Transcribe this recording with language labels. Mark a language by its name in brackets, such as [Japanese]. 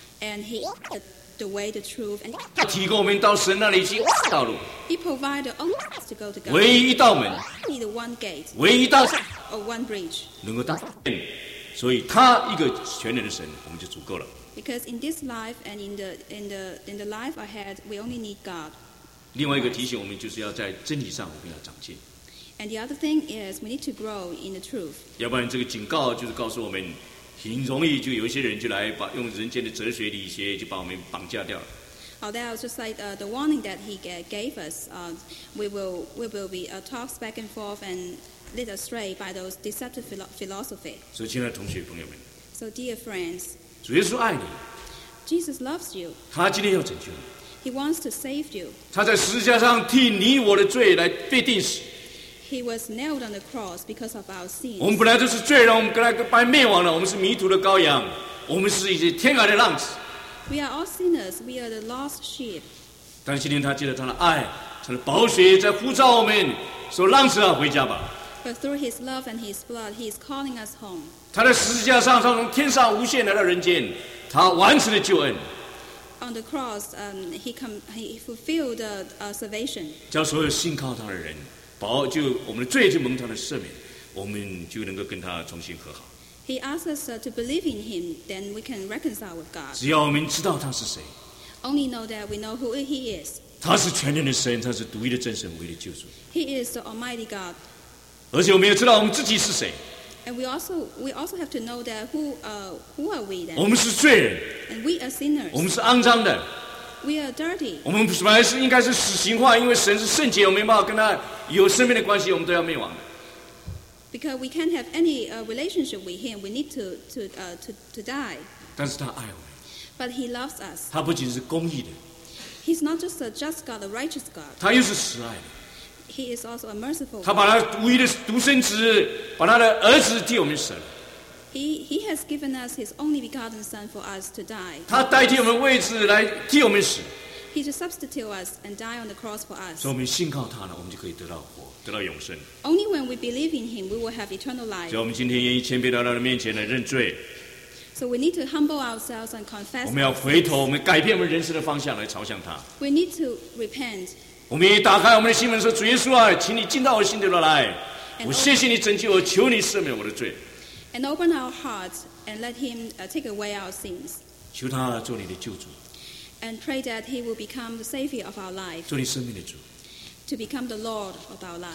[English] ，and he is the way, the truth, and [Chinese] 他提供我们到神那里去唯一道路 [English] ，he provides the only path to go to God， [Chinese] 唯一一道门 [English] ，only the one gate， [Chinese] 唯一道 [English] ，or one bridge， [Chinese] 能够到神，所以他一个全能的神，我们就足够了。 [English] Because in this life and in the life ahead, we only need God。 [Chinese] 另外一个提醒我们就是要在真理上我们要长进 [English] ，and the other thing is we need to grow in the truth。 [Chinese] 要不然这个警告就是告诉我们。挺容易，就有些人就来把用人间的哲学的一些就把我们绑架掉了。 [English] Oh, that was just like the warning that he gave us. We will be talks back and forth and led astray by those deceptive philosophy. [Chinese] 所以，亲爱的同学朋友们 [English] ，So dear friends， [Chinese] 主耶稣爱你 [English] ，Jesus loves you。 [Chinese] 他今天要拯救你 [English] ，He wants to save you。 [Chinese] 他在十字架上替你我的罪来被定死。 [English] He was nailed on the cross because of our sins. [Chinese] 我们本来就是罪人，我们本来就被灭亡了。我们是迷途的羔羊，我们是一些天涯的浪子。 [English] We are all sinners. We are the lost sheep. [Chinese] 但今天他借着他的爱，他的宝血在呼召我们，说：“浪子啊，回家吧。 [English] ”But through His love and His blood, He is calling us home. [Chinese] 他在十字架上，他从天上无限来到人间，他完成了救恩。 [English] On the cross, He fulfilled the salvation. [Chinese] 叫所有信靠他的人。就我们的罪就蒙他的赦免，我们就能够跟他重新和好。 [English] He asks us to believe in Him, then we can reconcile with God. [Chinese] 只要我们知道他是谁 [English] ，Only know that we know who He is. [Chinese] 他是全能的神，他是独一的真神，唯一的救主。 [English] He is the Almighty God. [Chinese] 而且我们也知道我们自己是谁。 [English] And we also have to know that who are we then? [Chinese] 我们是罪人。 [English] And we are sinners. [Chinese] 我们是肮脏的。 [English] We are dirty. [Chinese] 我们本来是应该是死刑化，因为神是圣洁，我们没办法跟他有生命的关系，我们都要灭亡的。 [English] Because we can't have any relationship with Him, we need to die. [Chinese] 但是他爱我们。 [English] But He loves us. [Chinese] 他不仅是公义的。 [English] He's not just a just God, the righteous God. [Chinese] 他又是慈爱的。 [English] He is also a merciful God. [Chinese] 他把他唯一的独生子，把他的儿子替我们舍了。 [English] He has given us his only begotten son for us to die. [Chinese] 他代替我们位置来替我们死。 [English] He to substitute us and die on the cross for us. [Chinese] 所以我们信靠他了，我们就可以得到活，得到永生。 [English] Only when we believe in him, we will have eternal life. [Chinese] 所以我们今天愿意谦卑到他的面前来认罪。 [English] So we need to humble ourselves and confess. [Chinese] 我们要回头，我们改变我们人生的方向来朝向他。 [English] We need to repent. [Chinese] 我们也打开我们的心门说：“主耶稣啊，请你进到我心里头来。我谢谢你拯救我，求你赦免我的罪。” [English] And open our hearts and let him take away our sins. [Chinese] 求他做你的救主。 [English] And pray that he will become the savior of our life. [Chinese] 做你生命的主。 [English] To become the Lord of our life.